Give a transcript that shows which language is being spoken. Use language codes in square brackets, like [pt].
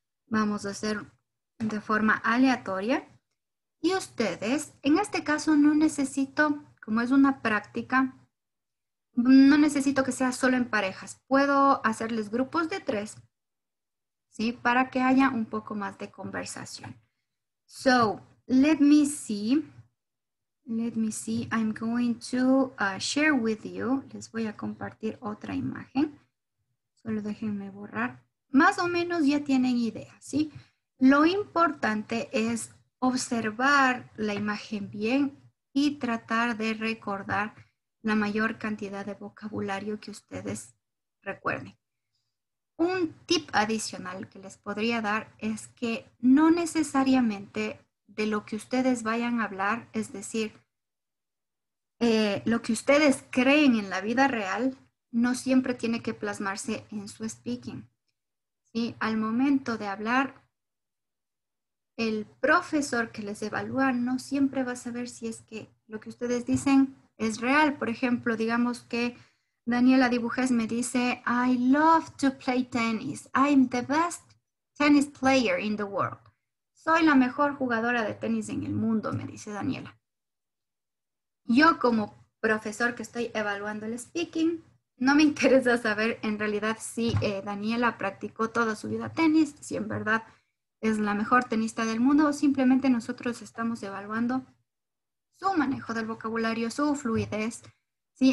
[es] Vamos a hacer de forma aleatoria. Y ustedes, en este caso no necesito, como es una práctica, no necesito que sea solo en parejas. Puedo hacerles grupos de tres, ¿sí? Para que haya un poco más de conversación. [en] So, let me see, I'm going to share with you. [es] Les voy a compartir otra imagen. Solo déjenme borrar. Más o menos ya tienen idea, ¿sí? Lo importante es observar la imagen bien y tratar de recordar la mayor cantidad de vocabulario que ustedes recuerden. Un tip adicional que les podría dar es que no necesariamente de lo que ustedes vayan a hablar, es decir, lo que ustedes creen en la vida real, no siempre tiene que plasmarse en su speaking. ¿Sí? Al momento de hablar, el profesor que les evalúa no siempre va a saber si es que lo que ustedes dicen es real. Por ejemplo, digamos que Daniela Dibujes me dice, [en] I love to play tennis. I'm the best tennis player in the world. [es] Soy la mejor jugadora de tenis en el mundo, me dice Daniela. Yo como profesor que estoy evaluando el speaking, no me interesa saber en realidad si Daniela practicó toda su vida tenis, si en verdad es la mejor tenista del mundo, o simplemente nosotros estamos evaluando su manejo del vocabulario, su fluidez, ¿sí?